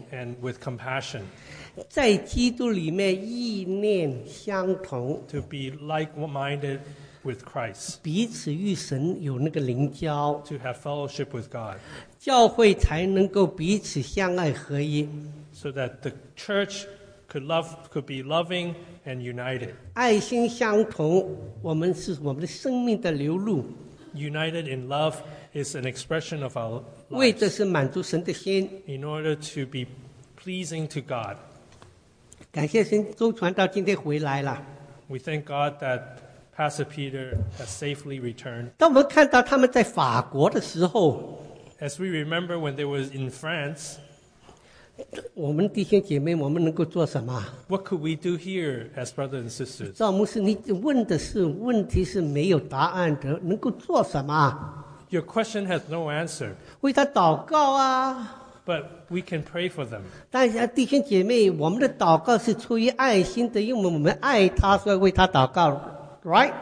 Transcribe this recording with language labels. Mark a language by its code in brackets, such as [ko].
[en] and with compassion. [zh] 在基督里面意念相同, [en] to be like-minded with Christ, [zh] 彼此与神有那个灵交, [en] to have fellowship with God, [zh] 教会才能够彼此相爱合一, [en] so that the church could love, could be loving and united, [zh] 爱心相同, 我们是我们的生命的流露, [en] united in love is an expression of our lives, [zh] 为的是满足神的心, [en] in order to be pleasing to God. [zh] 感谢神周传道今天回来了。 [en] We thank God that Pastor Peter has safely returned. [zh] 当我们看到他们在法国的时候, [en] as we remember when they were in France, [zh] 我们弟兄姐妹我们能够做什么? [en] What could we do here as brothers and sisters? [zh] 赵牧师你问的是问题是没有答案的, 能够做什么? [en] Your question has no answer. [zh] 为他祷告啊。 [en] But we can pray for them. [zh] 但是弟兄姐妹, 我们的祷告是出于爱心的, 因为我们爱他, 所以为他祷告, right?